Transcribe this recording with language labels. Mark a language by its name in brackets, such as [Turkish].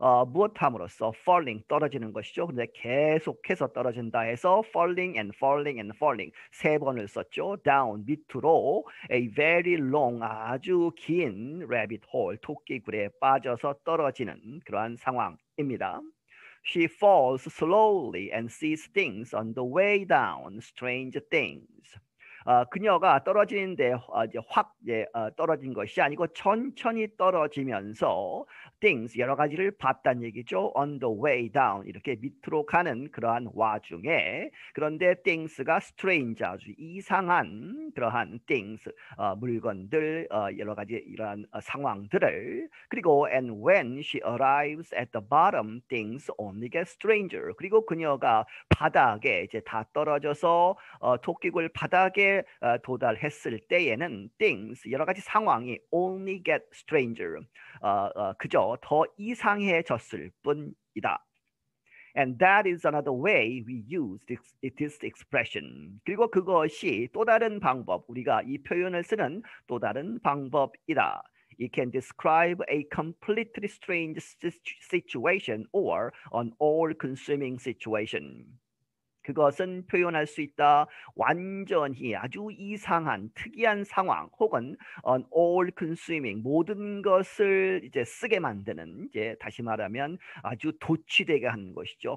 [Korean] 무엇함으로써 falling, 떨어지는 것이죠. 근데 계속해서 떨어진다 해서 [English] falling and falling and falling, [Korean] 세 번을 썼죠. down, 밑으로, [English] a very long, [Korean] 아주 긴 rabbit hole, 토끼굴에 빠져서 떨어지는 그러한 상황입니다. [English] She falls slowly and sees things on the way down, strange things. [Korean] 그녀가 떨어지는데 이제 확 이제 떨어진 것이 아니고 천천히 떨어지면서 things 여러 가지를 봤단 얘기죠. [English] On the way down [Korean] 이렇게 밑으로 가는 그러한 와중에 그런데 things가 strange 아주 이상한 그러한 things 물건들 여러 가지 이러한 상황들을 그리고 [English] and when she arrives at the bottom things only get stranger. [Korean] 그리고 그녀가 바닥에 이제 다 떨어져서 토끼굴 바닥에 도달했을 때에는 things 여러 가지 상황이 [English] only get stranger [Korean] 그저 더 이상해졌을 뿐이다. [English] And that is another way we use this expression. [Korean] 그리고 그것이 또 다른 방법 우리가 이 표현을 쓰는 또 다른 방법이다. [English] It can describe a completely strange situation or an all-consuming situation. [Korean] 그것은 표현할 수 있다. 완전히 아주 이상한 특이한 상황 혹은 [English] an all-consuming [Korean] 모든 것을 이제 쓰게 만드는 이제 다시 말하면 아주 도취되게 하는 것이죠.